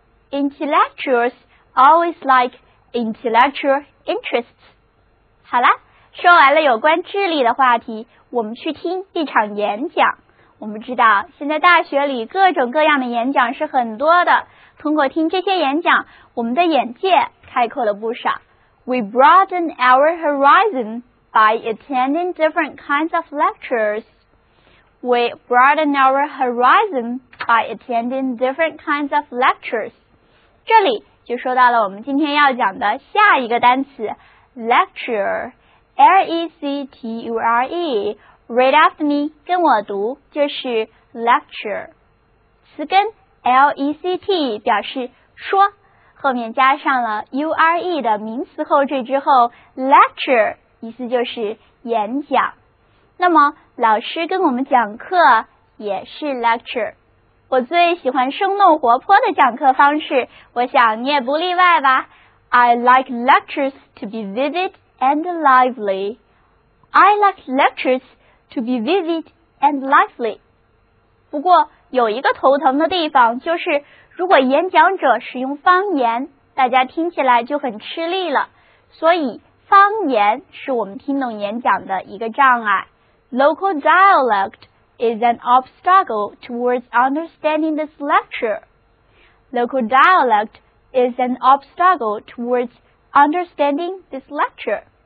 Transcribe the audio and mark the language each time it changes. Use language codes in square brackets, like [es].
[en] intellectuals always like intellectual interests。 [zh] 好了，说完了有关智力的话题，我们去听一场演讲。我们知道现在大学里各种各样的演讲是很多的，通过听这些演讲，我们的眼界开阔了不少。 [en] We broaden our horizon by attending different kinds of lectures. We broaden our horizon by attending different kinds of lectures. [zh] 这里就说到了我们今天要讲的下一个单词 lecture， L-E-C-T-U-R-E， [en] read after me， [zh] 跟我读，就是 lecture。词根 L-E-C-T 表示说，后面加上了 U-R-E 的名词后缀之后， lecture 意思就是演讲。那么老师跟我们讲课也是 lecture。我最喜欢生动活泼的讲课方式，我想你也不例外吧。 [en] I like lectures to be vivid and lively. I like lectures to be vivid and lively. [zh] 不过有一个头疼的地方，就是如果演讲者使用方言，大家听起来就很吃力了，所以方言是我们听懂演讲的一个障碍。 [en] Local dialectis an obstacle towards understanding this lecture. Local dialect is an obstacle towards understanding this lecture.